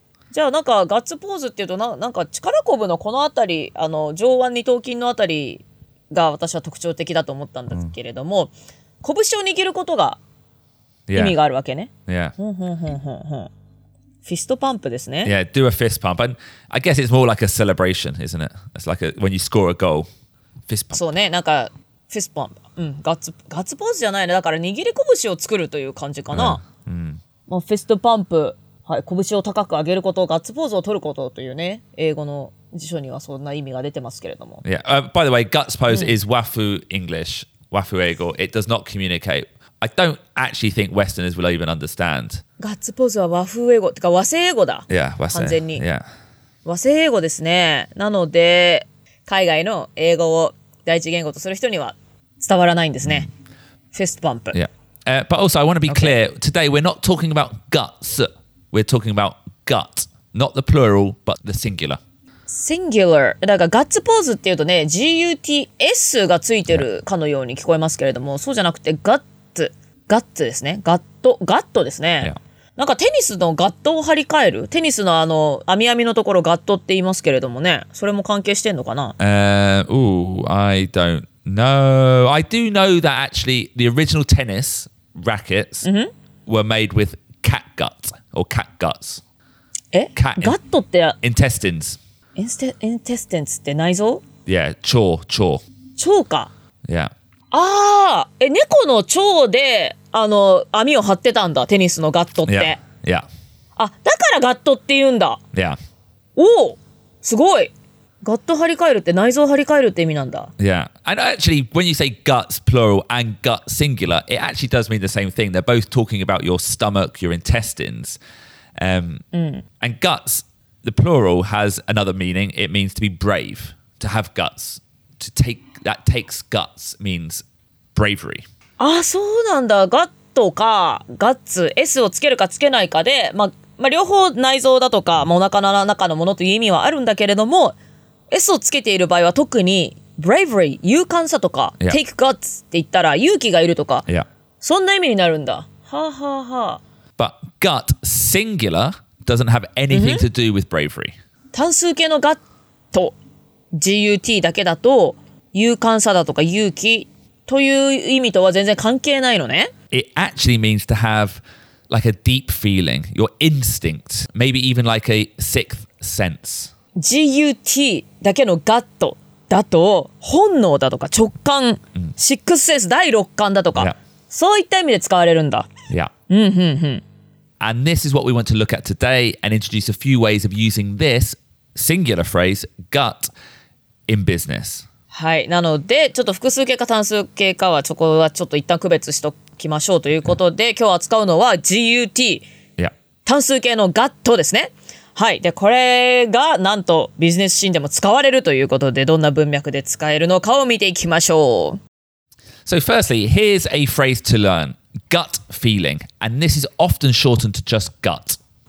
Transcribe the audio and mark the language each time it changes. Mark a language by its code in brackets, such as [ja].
[ja] じゃあなんかガッツポーズっていうと なんか力こぶのこのあたり、あの上腕二頭筋のあたりが私は特徴的だと思ったんですけれども、mm. 拳を握ることが [en] Yeah. [ja] 意味があるわけね。 [en] Yeah. [ja] フィストパンプですね。 [en] Yeah, do a fist pump. And I guess it's more like a celebration, isn't it? It's like a, when you score a goal. Fist pump. [ja] そうね、なんか、フィストパンプ。うん、ガッツポーズじゃないね。だから握り拳を作るという感じかな。 [en] Yeah. [ja] まあ、フィストパンプ、はい、拳を高く上げること、ガッツポーズを取ることというね、英語の辞書にはそんな意味が出てますけれども。 [en] Yeah, by the way, guts pose is WAFU English, [ja] WAFU 英語。 [en] It does not communicate. I don't actually think Westerners will even understand. [ja] ガッツポーズは和風英語ってか和製英語だ。 [en] Yeah, [ja] 和製。完全に。 [en] Yeah. [ja] 和製英語ですね。なので海外の英語を第一言語とする人には伝わらないんですね。 [en] Mm. Fist bump. Yeah. But also, I want to be clear. Okay. Today, we're not talking about guts. We're talking about gut, not the plural, but the singular. Singular. [ja] だからガッツポーズっていうとね、G-U-T-S がついてるかのように聞こえますけれども、そうじゃなくてガッガッツですね。ガットですね。 [en] Yeah. [ja] なんかテニスのガットを張り替える。テニスのあの網網のところガットって言いますけれどもね。それも関係してんのかな。 [en] I don't know. I do know that actually the original tennis rackets were made with cat gut or cat guts. [ja] え?Gut って [en] Intestines. [ja] Intestines って内臓? Yeah, 腸、腸。腸か。 [en] Yeah. [ja] あー、え、猫の腸で、あの、網を張ってたんだ、テニスのガットって。 [en] Yeah. Yeah. [ja] あ、だからガットって言うんだ。 [en] Yeah. [ja] おお、すごい。ガット張り替えるって内臓張り替えるって意味なんだ。 [en] Yeah. And actually, when you say guts plural and gut singular, it actually does mean the same thing. They're both talking about your stomach, your intestines. And guts, the plural has another meaning. It means to be brave, to have guts, to take, that takes guts means bravery. [ja] ああ、そうなんだ。ガットかガッツ、S をつけるかつけないかで、まあ、まあ、両方内臓だとか、まあ、お腹の中のものという意味はあるんだけれども、S をつけている場合は特に bravery、勇敢さとか、 [en] yeah. take guts [ja] って言ったら勇気がいるとか、 [en] yeah. [ja] そんな意味になるんだ。はあ、ははあ。 [en] But gut singular doesn't have anything、mm-hmm. to do with bravery. [ja] 単数形の gut、G-U-T だけだと勇敢さだとか勇気という意味とは全然関係ないのね。 [en] It actually means to have like a deep feeling, your instinct, maybe even like a sixth sense. [ja] G-U-T だけのガットだと本能だとか直感、シックスセンス第六感だとか、 [en] yeah. [ja] そういった意味で使われるんだ。 [en] Yeah. And this is what we want to look at today and introduce a few ways of using this singular phrase gut in business. [ja] はい。なので、ちょっと複数形か単数形かはそこはちょっと一旦区別しときましょうということで、 [en] yeah. [ja] 今日扱うのは G-U-T、 [en] yeah. [ja] 単数形のガットですね。はい、でこれがなんとビジネスシーンでも使われるということで、どんな文脈で使えるのかを見ていきましょう。 [en] So firstly, here's a phrase to learn. Gut feeling. And this is often shortened to just gut.